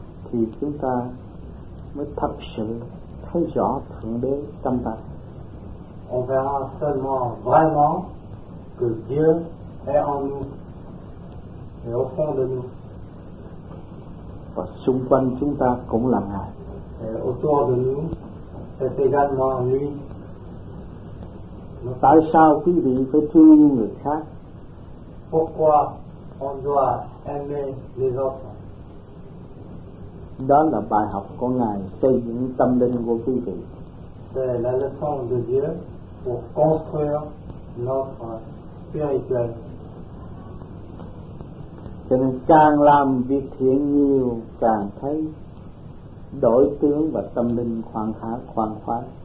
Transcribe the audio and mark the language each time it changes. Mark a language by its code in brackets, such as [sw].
[vi] thì chúng ta mới thật sự thấy rõ Thượng Đế trong ta. [fr] On verra seulement vraiment que Dieu est en nous et au fond de nous. [vi] Và xung quanh chúng ta cũng là Ngài. [fr] Autour de nous, c'est également lui. [vi] Tại sao quý vị phải thương yêu người khác? [fr] Pourquoi on doit aimer les autres? [vi] Đó là bài học của Ngài xây dựng tâm linh của quý vị. [fr] C'est la leçon de Dieu pour construire notre spirituel. [vi] Cho nên càng làm việc thiện nhiều càng thấy đổi tướng và tâm linh khoan khoái, khoan khoái.